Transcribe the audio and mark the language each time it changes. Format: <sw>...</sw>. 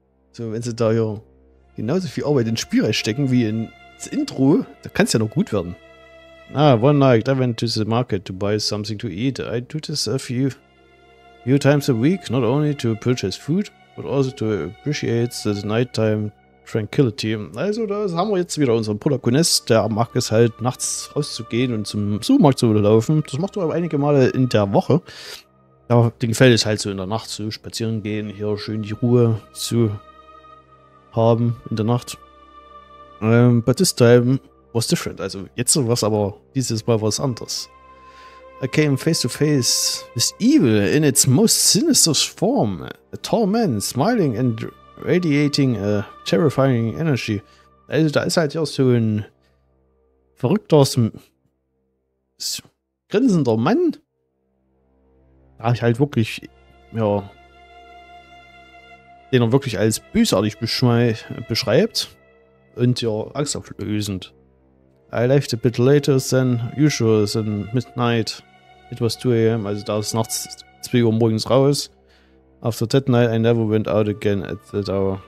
<de>So, wenn sie da ja genauso viel Arbeit ins Spiel reinstecken wie ins Intro, da kann es ja noch gut werden.</de> <en>Ah, one night I went to the market to buy something to eat. I do this a few times a week, not only to purchase food, but also to appreciate the nighttime tranquility.</en> <de>Also, da haben wir jetzt wieder unseren Protagonist, der mag es halt, nachts rauszugehen und zum Supermarkt zu laufen. Das macht er aber einige Male in der Woche. Aber dem gefällt es halt so in der Nacht zu spazieren gehen, hier schön die Ruhe zu haben in der Nacht.</de> <en>But this time was different.</en> <de>Also jetzt war es aber dieses Mal was anderes.</de> <en>I came face to face with evil in its most sinister form. A tall man smiling and radiating a terrifying energy.</en> <de>Also da ist halt ja so ein verrückter, grinsender Mann. Da ich halt wirklich, ja, den er wirklich als bösartig beschreibt und ja, angsteinflößend.</de> <en>I left a bit later than usual, than midnight. It was 2 a.m.,</en> <de>also da ist nachts 2 Uhr morgens raus.</de> <en>After that night, I never went out again at that hour.</en>